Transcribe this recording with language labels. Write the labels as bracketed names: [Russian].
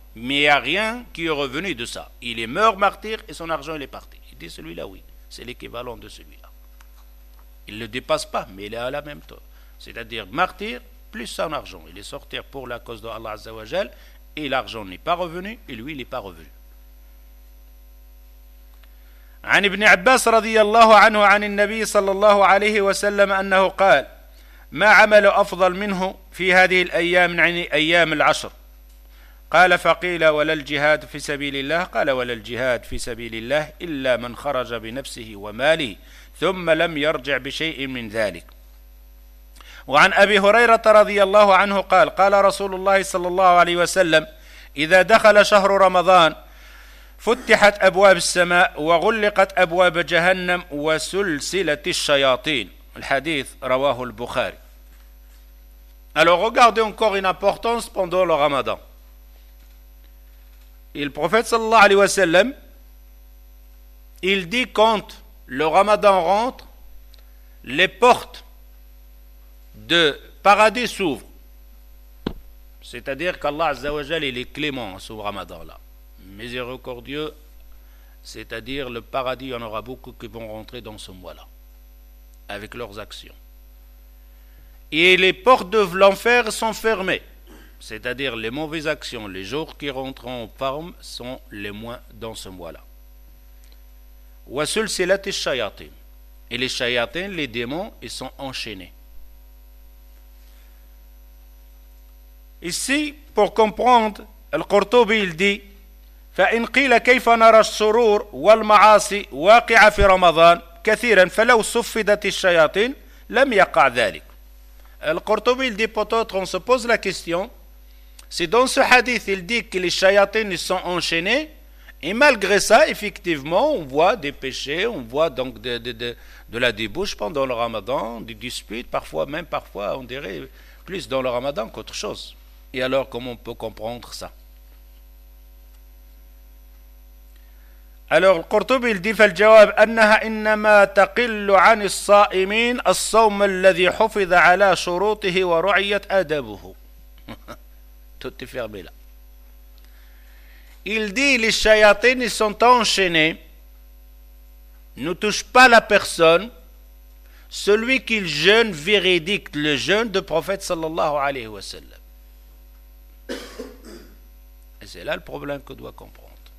[French] Mais il n'y a rien qui est revenu de ça. Il est mort martyr et son argent, il est parti. Il dit, celui-là, oui, c'est l'équivalent de celui-là. Il ne le dépasse pas, mais il est à la même taille. C'est-à-dire, martyr, plus son argent. Il est sorti pour la cause de Allah Azza wa Jal et l'argent n'est pas revenu et lui il n'est pas revenu. [Arabic] عن ابن عباس رضي الله عنه عن النبي صلى الله عليه وسلم أنه قال ما عمل أفضل منه في هذه الأيام عن أيام العشر قال فقيل ولا الجهاد في سبيل الله قال ولا الجهاد في سبيل الله إلا من خرج بنفسه وماله ثم لم يرجع بشيء من ذلك. وعن أبي هريرة رضي الله عنه قال قال رسول الله صلى الله عليه وسلم إذا دخل شهر رمضان فتحت أبواب السماء وغلقت أبواب جهنم وسلسلة الشياطين الحديث رواه البخاري. [French] Alors regardez encore une importance pendant le Ramadan. Et le prophète sallallahu alayhi wa sallam, il dit quand le ramadan rentre, les portes de paradis s'ouvrent. C'est-à-dire qu'Allah azza wa jal, il est clément ce ramadan-là. Miséricordieux, c'est-à-dire le paradis, il y en aura beaucoup qui vont rentrer dans ce mois-là, avec leurs actions. Et les portes de l'enfer sont fermées. C'est-à-dire les mauvaises actions, les jours qui rentreront au parme sont les moins dans ce mois-là. Wasul silat al-shayatin. Et les shayatin, les démons, ils sont enchaînés. [Arabic] Ici, pour comprendre, Al-Qurtubi il dit: فإن قيل كيف نرى السرور والمعاصي واقعة في رمضان كثيرا فلو صفدت الشياطين لم يقع ذلك. [French] Al-Qurtubi il dit peut-être on se pose la question. Si dans ce hadith, il dit que les shayatins sont enchaînés, et malgré ça, effectivement, on voit des péchés, on voit donc de la débauche pendant le ramadan, des disputes, parfois, on dirait, plus dans le ramadan qu'autre chose. Et alors, comment on peut comprendre ça? [Arabic] Alors, le Qurtubi, il dit, « فالجواب أنها إنما تقل عن الصائمين الصوم الذي حفظ على شروطه ورعية أدبه. » Tout est fermé là. [French] Il dit, les shayatines sont enchaînés, ne touchent pas la personne, celui qui jeûne véridique, le jeûne du prophète sallallahu alayhi wa sallam. Et c'est là le problème que doit comprendre.